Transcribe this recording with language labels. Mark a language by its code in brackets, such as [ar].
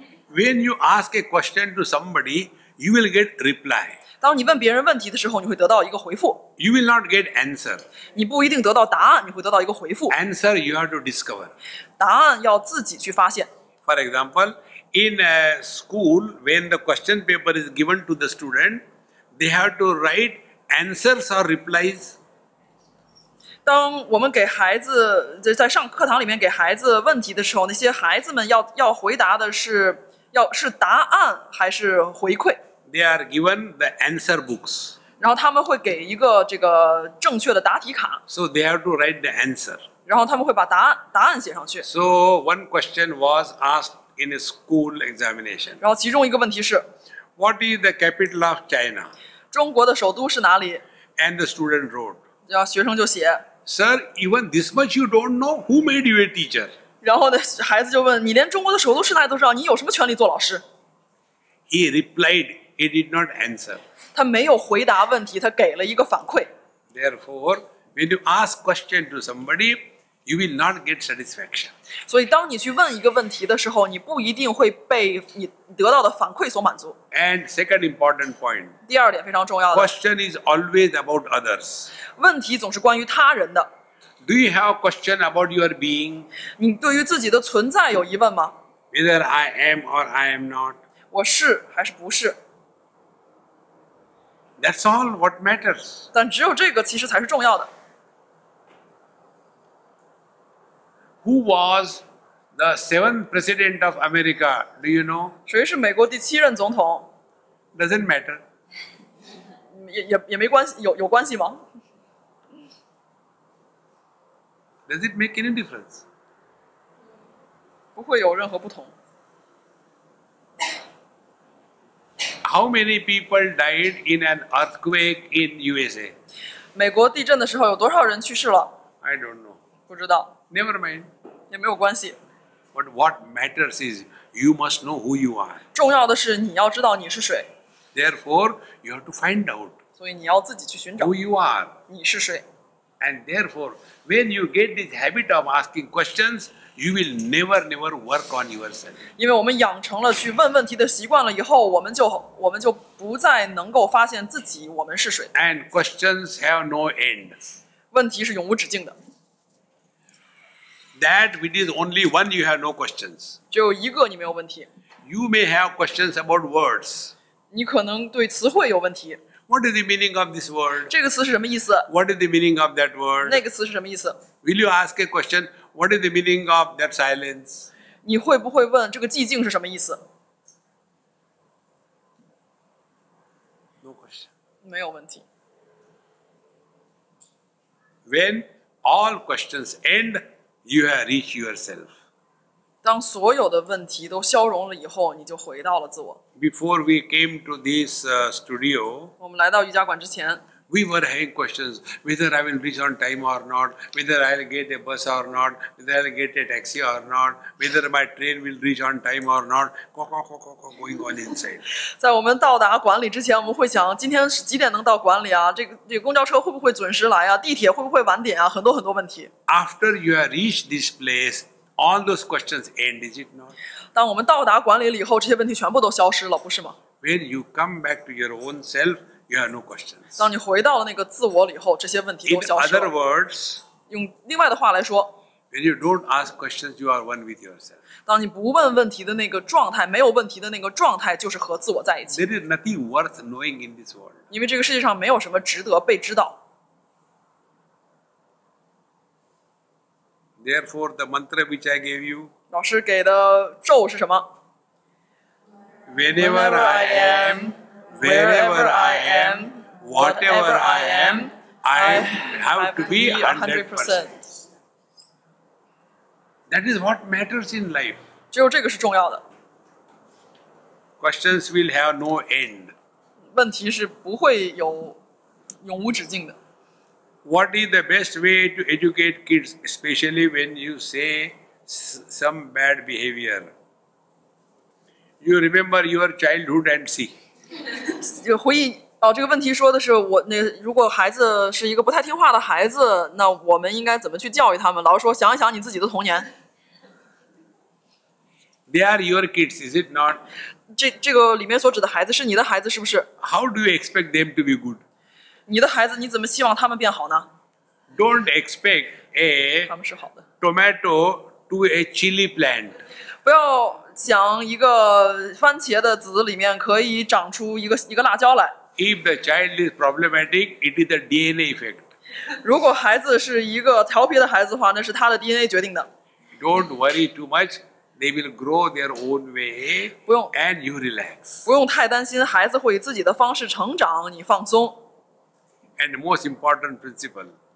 [en] When you ask a question to somebody, you will get reply. [zh] 当你问别人问题的时候，你会得到一个回复。 [en] You will not get answer. [zh] 你不一定得到答案，你会得到一个回复。 [en] Answer you have to discover. [zh] 答案要自己去发现。 [en] For example, in a school, when the question paper is given to the student, they have to write answers or replies. [zh] 当我们给孩子在上课堂里面给孩子问题的时候，那些孩子们 要回答的是要是答案还是回馈。 [en] They are given the answer books. [zh] 然后他们会给一个这个正确的答题卡。 [en] So they have to write the answer. [zh] 然后他们会把答案写上去。 [en] So one question was asked in a school examination. [zh] 然后其中一个问题是 [en] What is the capital of China? [zh] 中国的首都是哪里？ [en] And the student wrote. [zh] 然后学生就写 [en] Sir, even this much you don't know, who made you a teacher? [zh] 然后呢孩子就问你连中国的首都是哪里都知道你有什么权利做老师 [en] He replied, he did not answer. [zh] 他没有回答问题他给了一个反馈 [en] Therefore, when you ask question to somebody, you will not get satisfaction. [zh] 所以当你去问一个问题的时候你不一定会被你得到的反馈所满足 [en] And second important point. [zh] 第二点非常重要的 [en] Question is always about others. [zh] 问题总是关于他人的。 [en] Do you have a question about your being? [zh] 你对于自己的存在有疑问吗？ [en] Whether I am or I am not. [zh] 我是还是不是？ [en] That's all what matters. [zh] 但只有这个其实才是重要的。 [en] Who was the seventh president of America? Do you know? [zh] 谁是美国第七任总统？ [en] Doesn't matter. [zh] 也没关系，有关系吗？ [en] Does it make any difference? [zh] 不会有任何不同。 [en] How many people died in an earthquake in USA? [zh] 美国地震的时候有多少人去世了？ [en] I don't know. [zh] 不知道。 [en] Never mind. [zh] 也没有关系。 [en] But what matters is you must know who you are. [zh] 重要的是你要知道你是谁。 [en] Therefore, you have to find out. [zh] 所以你要自己去寻找。 [en] Who you are. [zh] 你是谁。 [en] And therefore, when you get this habit of asking questions, you will never work on yourself. [zh] 因为我们养成了去问问题的习惯了以后，我们就不再能够发现自己我们是谁。 [en] And questions have no end. [zh] 问题是永无止境的。 [en] That which is only one, you have no questions. [zh] 只有一个你没有问题。 [en] You may have questions about words. [zh] 你可能对词汇有问题。 [en] What is the meaning of this word? [zh] 这个词是什么意思? [en] What is the meaning of that word? [zh] 那个词是什么意思? [en] Will you ask a question? What is the meaning of that silence? [zh] 你会不会问这个寂静是什么意思? [en] No question. [zh] 没有问题。 [en] When all questions end, you have reached yourself. [zh] 当所有的问题都消融了以后，你就回到了自我。 [en] Before we came to this studio, [zh] 我们来到瑜伽馆之前 [en] we were having questions whether I will reach on time or not, whether I'll get a bus or not, whether I'll get a taxi or not, whether my train will reach on time or not, going on inside. [zh] 在我们到达馆里之前，我们会想今天是几点能到馆里啊？这个公交车会不会准时来啊？地铁会不会晚点啊？很多很多问题。 [en] After you have reached this place, all those questions end, is it not? [zh] 当我们到达管理了以后，这些问题全部都消失了，不是吗 [en] ？When you come back to your own self, you have no questions. [zh] 当你回到了那个自我了以后，这些问题都消失了。 [en] In other words, [zh] 用另外的话来说 [en] ，When you don't ask questions, you are one with yourself. [zh] 当你不问问题的那个状态，没有问题的那个状态，就是和自我在一起。 [en] There is nothing worth knowing in this world. [zh] 因为这个世界上没有什么值得被知道。 [en] Therefore, the mantra which I gave you. [zh] 老师给的咒是什么 [en] ？Whenever I am, wherever I am, whatever I am, I have to be 100%. That is what matters in life. [zh] 只有这个是重要的。 [en] Questions will have no end. [zh] 问题是不会有永无止境的。 [en] What is the best way to educate kids, especially when you say? Some bad behavior. You remember your childhood and see. [zh] 回忆哦，这个问题说的是我那如果孩子是一个不太听话的孩子，那我们应该怎么去教育他们？老师说，想一想你自己的童年。 [en] They are your kids, is it not? [zh] 这个里面所指的孩子是你的孩子，是不是 [en] ？How do you expect them to be good? [zh] 你的孩子你怎么希望他们变好呢 [en] ？Don't expect a [zh] 他们是好的 [en] tomato. To a chili plant. [zh] 不要想一个番茄的籽里面可以长出一个辣椒来。 [en] If the child is problematic, it is the DNA effect. [zh] 如果孩子是一个调皮的孩子的话，那是他的 DNA 决定的。 [en] Don't worry too much. They will grow their own way. [zh] 不用。 [en] And you relax. [zh] 不用太担心，孩子会以自己的方式成长，你放松。 [en] And the most important principle.